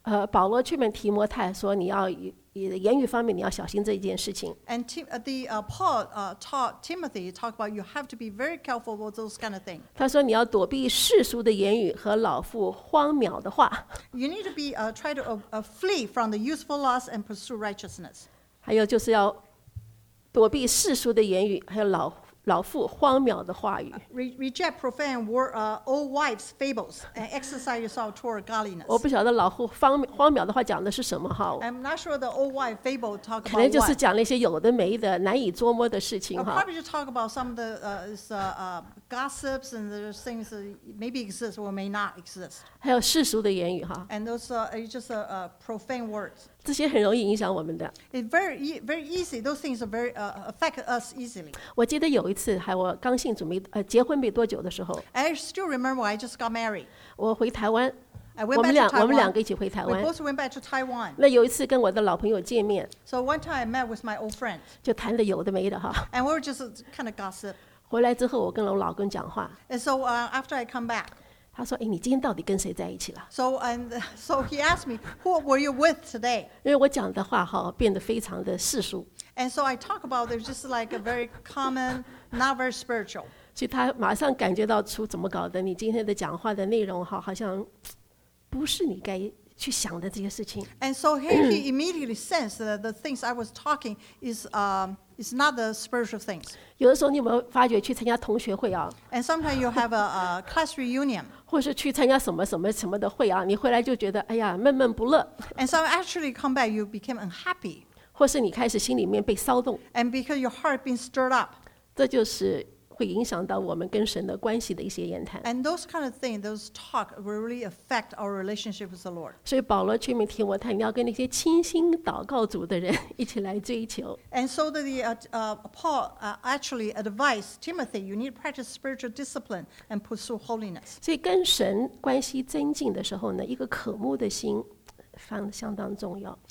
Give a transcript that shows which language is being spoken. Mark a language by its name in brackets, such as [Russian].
[Chinese] 保罗劝勉提摩太说，你要言语方面你要小心这件事情。 [English] And Paul taught Timothy talk about you have to be very careful about those kind of things. [Chinese] 他说你要躲避世俗的言语和老妇荒谬的话。 [English] You need to be try to flee from the useful lust and pursue righteousness. [Chinese] 还有就是要躲避世俗的言语，还有老妇荒谬的话语。 [English] Reject profane old wives' fables and exercise yourself toward godliness. [Chinese] 我不晓得老妇荒谬的话讲的是什么哈。 [English] I'm not sure the old wife fable talk about what. [Chinese] 可能就是讲那些有的没的、难以捉摸的事情哈。 [English] Probably just talk about some of the gossips and the things that maybe exist or may not exist. [Chinese] 还有世俗的言语哈。 [English] And those just profane words. [Chinese] 这些很容易影响我们的。 [English] It's very, very easy. Those things are very, affect us easily. [Chinese] 我记得有一次，还我刚信主没结婚没多久的时候。 [English] I still remember I just got married. [Chinese] 我回台湾。 [English] I went back to [Chinese] Taiwan. 我们两个一起回台湾。 [English] We both went back to Taiwan. [Chinese] 那有一次跟我的老朋友见面。 [English] So one time I met with my old friend. [Chinese] 就谈的有的没的哈。 [English] And we were just kind of gossip. [Chinese] 回来之后，我跟我老公讲话。 [English] And so, after I come back. [Chinese] 他说：“哎，你今天到底跟谁在一起了 [English] ？”So he asked me, "Who were you with today?" [Chinese] 因为我讲的话哈变得非常的世俗。 [English] And so I talk about it just like a very common, not very spiritual. [Chinese] 所以他马上感觉到出怎么搞的，你今天的讲话的内容哈，好像不是你该去想的这些事情。 [English] And so he immediately sensed that the things I was talking is not the spiritual things. [Chinese] 有的时候你有没有发觉去参加同学会啊 [English] ？And sometimes you have a class reunion. [Chinese] 或是去参加什么什么什么的会啊，你回来就觉得哎呀闷闷不乐。 [English] And so actually come back, you became unhappy. [Chinese] 或是你开始心里面被骚动。 [English] And because your heart being stirred up. [Chinese] 这就是会影响到我们跟神的关系的一些言谈。 [English] And those kind of things, those talk will really affect our relationship with the Lord. [Chinese] 所以保罗劝勉提摩太，你要跟那些倾心祷告主的人一起来追求。 [English] And so the Paul actually advised Timothy, you need to practice spiritual discipline and pursue holiness. [Chinese] 所以跟神关系增进的时候呢，一个渴慕的心相当重要。